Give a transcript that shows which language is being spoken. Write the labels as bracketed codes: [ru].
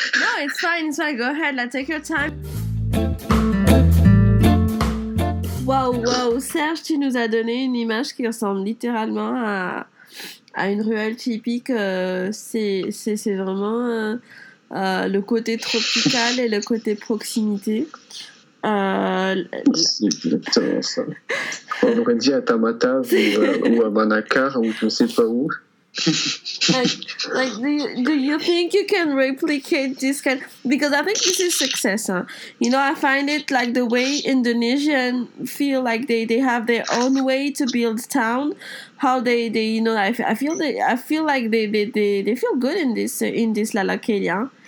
[en] No, it's fine, go ahead, let's take your time. [fr] Wow, Serge, tu nous as donné une image qui ressemble littéralement à une ruelle typique, c'est vraiment le côté tropical et le côté proximité. C'est exactement ça. On aurait dit à Tamatave ou à Manakar ou je ne sais pas où. [en] Like, do you think you can replicate this kind? Because I think this is success. Huh? You know, I find it like the way Indonesian feel like they have their own way to build town. How they you know, I feel like they feel good in this Lalakelia.